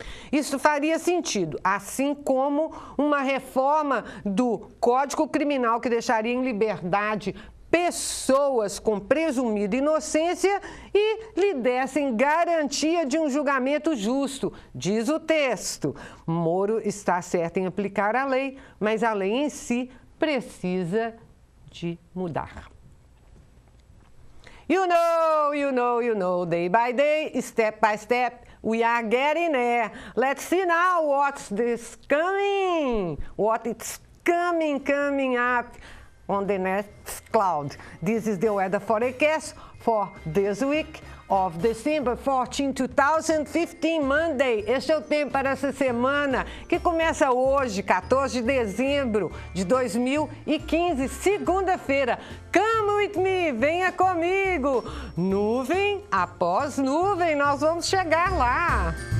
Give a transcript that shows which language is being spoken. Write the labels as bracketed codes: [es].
[pt] Isso faria sentido, assim como uma reforma do Código Criminal que deixaria em liberdade pessoas com presumida inocência e lhe dessem garantia de um julgamento justo, diz o texto. Moro está certo em aplicar a lei, mas a lei em si precisa de mudar. [en] You know, day by day, step by step, we are getting there. Let's see now what's coming up on the next cloud. This is the weather forecast for this week of December 14, 2015, Monday. [pt] Este é o tempo para essa semana, que começa hoje, 14 de dezembro de 2015, segunda-feira. [en] Come with me, [pt] venha comigo. Nuvem após nuvem, nós vamos chegar lá.